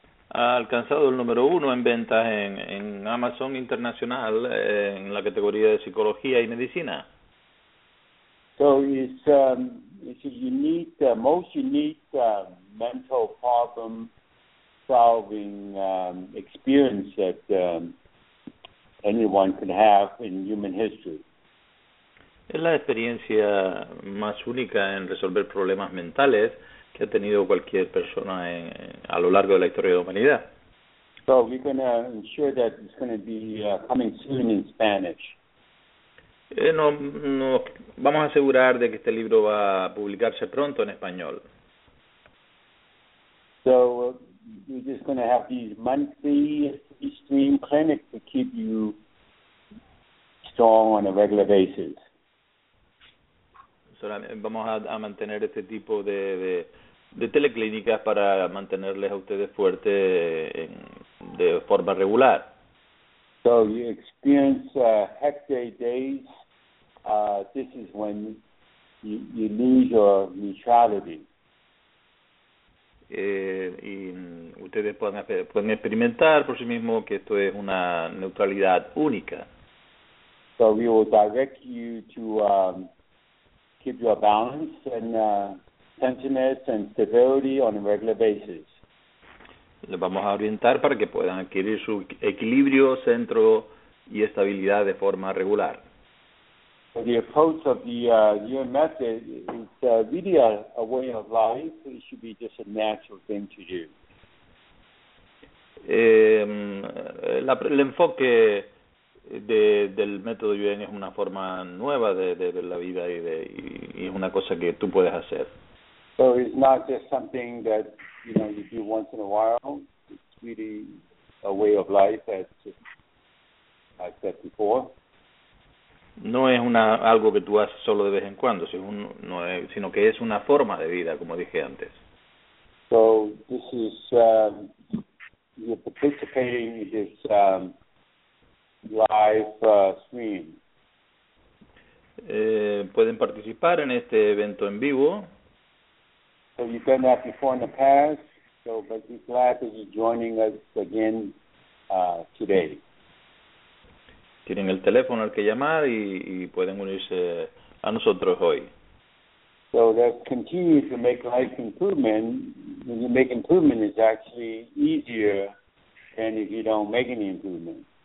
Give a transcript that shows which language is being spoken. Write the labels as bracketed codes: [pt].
[es] Ha alcanzado el número uno en ventas en Amazon Internacional en la categoría de psicología y medicina. [en] So it's it's a unique, most unique mental problem solving experience that anyone could have in human history. [es] Es la experiencia más única en resolver problemas mentales que ha tenido cualquier persona a lo largo de la historia de la humanidad. [en] So we're going to ensure that it's going to be coming soon in Spanish. [es] Nos vamos a asegurar de que este libro va a publicarse pronto en español. [en] So we're just going to have these monthly stream clinics to keep you strong on a regular basis. [es] So, vamos a mantener este tipo de teleclínicas para mantenerles a ustedes fuertes de forma regular. [en] So you experience hectic days. This is when you lose your neutrality. [es] Y ustedes pueden experimentar por sí mismo que esto es una neutralidad única. [en] So we will direct you to keep your balance and tenseness and stability on a regular basis. [es] Les vamos a orientar para que puedan adquirir su equilibrio, centro y estabilidad de forma regular. [en] The approach of the UN method is really a way of life. It should be just a natural thing to do. [es] El enfoque del método UN es una forma nueva de la vida y es una cosa que tú puedes hacer. [en] So it's not just something that you do once in a while. It's really a way of life, as I said before. [es] No es algo que tú haces solo de vez en cuando, sino que es una forma de vida, como dije antes. [en] So this is you're participating in this live stream. [es] Pueden participar en este evento en vivo. [en] So you've done that before in the past. So, but we're glad that you're joining us again today. [es] Tienen el teléfono al que llamar y pueden unirse a nosotros hoy. [en] So that continues to make life improvement. When you make improvement, it's actually easier than if you don't make any improvement.